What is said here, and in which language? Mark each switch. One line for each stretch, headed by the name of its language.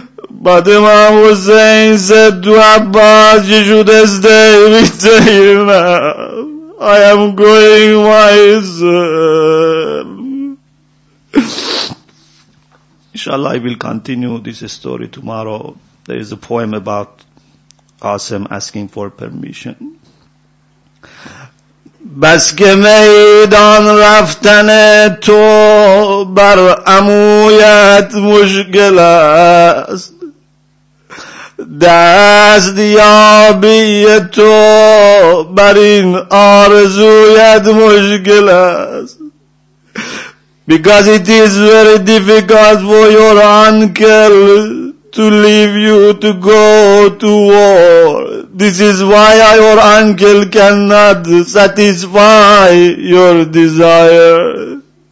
English: But Imam Hussein said to Abbas, you should stay with the Imam. I am going myself. Inshallah, I will continue this story tomorrow. There is a poem about Qasim asking for permission.
Persian: بس که میدان رفتن تو بر عمویت مشکل است، دست یابی تو بر این آرزویت مشکل است.
English: Because it is very difficult for your uncle to leave you to go to war. This is why your uncle cannot satisfy your desire.